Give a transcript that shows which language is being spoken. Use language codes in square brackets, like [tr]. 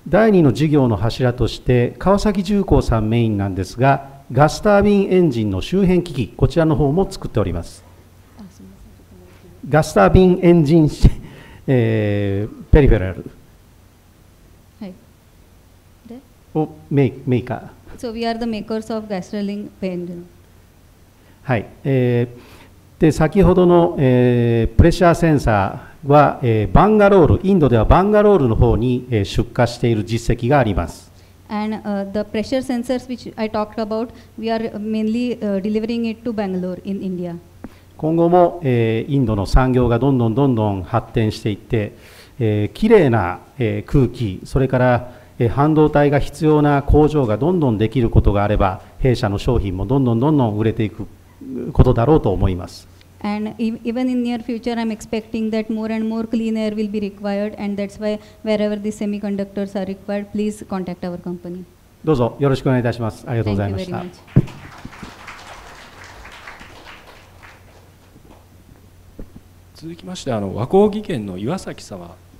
[ja] 第2の事業の柱として川崎重工さんメインなんですが、ガスタービンエンジンの周辺機器、こちらの方も作っております。ガスタービンエンジン、ペリフェラル、はい、でをメーカー。 [en] So we are the makers of gasoline engine. [ja] はい。で先ほどの、プレッシャーセンサーは、バンガロール、インドではバンガロールの方に、出荷している実績があります。 [en] And the pressure sensors which I talked about, we are mainly delivering it to Bangalore in India. [ja] 今後も、インドの産業がどんどん発展していって、きれいな、空気、それから半導体が必要な工場がどんどんできることがあれば、弊社の商品もどんどん売れていくことだろうと思います。 [en] And even in near future, I'm expecting that more and more clean air will be required, and that's why wherever the semiconductors are required, please contact our company. [ja] どうぞよろしくお願いいたします。ありがとうございました。続きまして和光技研の岩崎様。